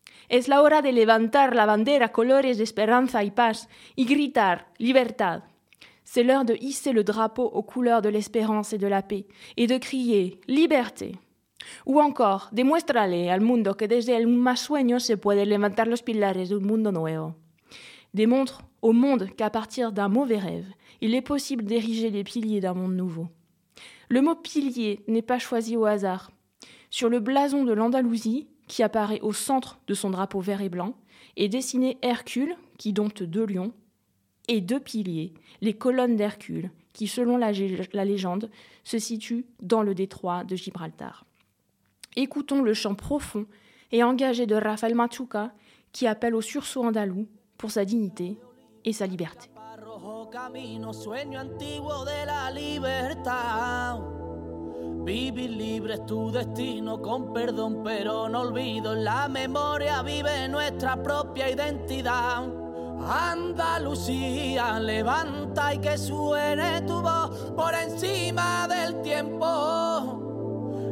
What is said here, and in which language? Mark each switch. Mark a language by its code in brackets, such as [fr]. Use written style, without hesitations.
[es] Es la hora de levantar la bandera colores de esperanza y paz y gritar libertad. [fr] C'est l'heure de hisser le drapeau aux couleurs de l'espérance et de la paix et de crier liberté. [es] Ou encore, demuéstrale al mundo que desde el más sueño se puede levantar los pilares de un mundo nuevo. [fr] Démontre au monde qu'à partir d'un mauvais rêve, il est possible d'ériger les piliers d'un monde nouveau. Le mot « pilier » n'est pas choisi au hasard. Sur le blason de l'Andalousie, qui apparaît au centre de son drapeau vert et blanc, est dessiné Hercule, qui dompte deux lions, et deux piliers, les colonnes d'Hercule, qui, selon la légende, se situent dans le détroit de Gibraltar. Écoutons le chant profond et engagé de Rafael Machuca, qui appelle au sursaut andalou pour sa dignité et sa liberté. [es] Parrojo camino, sueño antiguo de la libertad. Vivir libre es tu destino, con perdón, pero no olvido. En la memoria vive nuestra propia identidad. Andalucía, levanta y que suene tu voz por encima del tiempo.